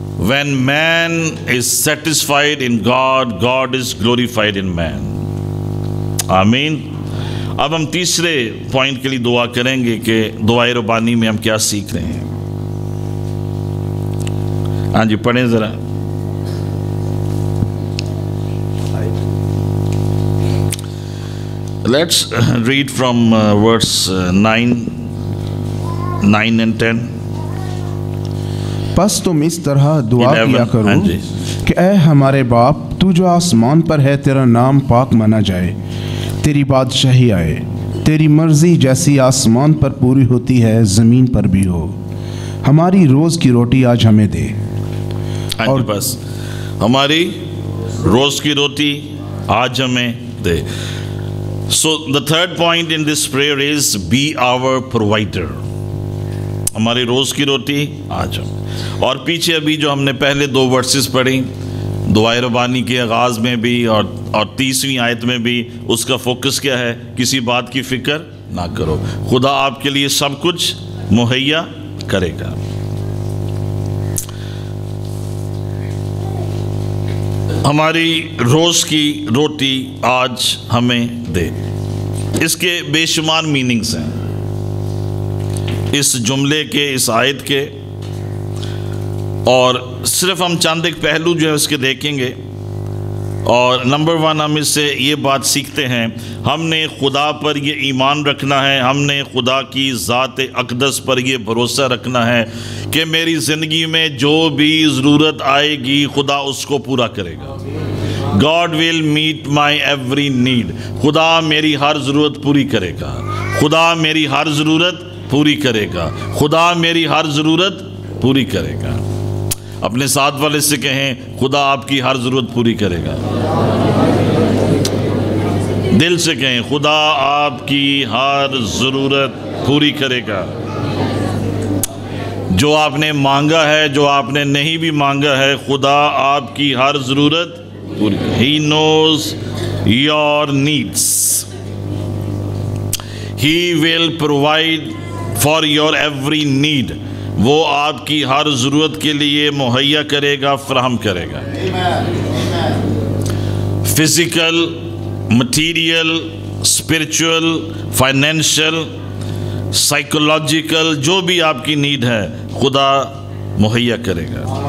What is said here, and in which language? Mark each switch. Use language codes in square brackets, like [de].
[en] When man is satisfied in God, God is glorified in man. Amen. [ur] اب ہم تیسرے point کے لیے دعا کریں گے کہ دعائے ربانی میں ہم کیا سیکھ رہے ہیں. ہاں جی پڑھیں ذرا. [en] Let's read from verse 9 and 10. [ur] پس تم اس طرح دعا کیا کرو کہ اے ہمارے باپ، تو جو آسمان پر ہے، تیرا نام پاک مانا جائے، تیری بادشاہی آئے، تیری مرضی جیسی آسمان پر پوری ہوتی ہے زمین پر بھی ہو، ہماری روز کی روٹی آج ہمیں دے. اور بس ہماری روز کی روٹی آج ہمیں دے. [en] So the third point in this prayer is be our provider. [ur] ہماری روز کی روٹی آج ہمیں. اور پیچھے ابھی جو ہم نے پہلے دو ورسز پڑھی دعائے ربانی کے آغاز میں بھی اور تیسویں آیت میں بھی، اس کا فوکس کیا ہے؟ کسی بات کی فکر نہ کرو، خدا آپ کے لیے سب کچھ مہیا کرے گا. ہماری روز کی روٹی آج ہمیں دے، اس کے بے شمار میننگز ہیں اس جملے کے، اس آیت کے. اور صرف ہم چند ایک پہلو جو ہے اس کے دیکھیں گے. اور نمبر ون، ہم اس سے یہ بات سیکھتے ہیں، ہم نے خدا پر یہ ایمان رکھنا ہے، ہم نے خدا کی ذات اقدس پر یہ بھروسہ رکھنا ہے کہ میری زندگی میں جو بھی ضرورت آئے گی خدا اس کو پورا کرے گا. [en] God will meet my every need. [ur] خدا میری ہر ضرورت پوری کرے گا، خدا میری ہر ضرورت پوری کرے گا، خدا میری ہر ضرورت پوری کرے گا. اپنے ساتھ والے سے کہیں خدا آپ کی ہر ضرورت پوری کرے گا. دل سے کہیں خدا آپ کی ہر ضرورت پوری کرے گا. جو آپ نے مانگا ہے، جو آپ نے نہیں بھی مانگا ہے، خدا آپ کی ہر ضرورت پوری کرے گا. [en] He knows your needs. He will provide for your every need. [ur] وہ آپ کی ہر ضرورت کے لیے مہیا کرے گا، فراہم کرے گا. Physical, material, spiritual, financial, psychological, جو بھی آپ کی نیڈ ہے خدا مہیا کرے گا.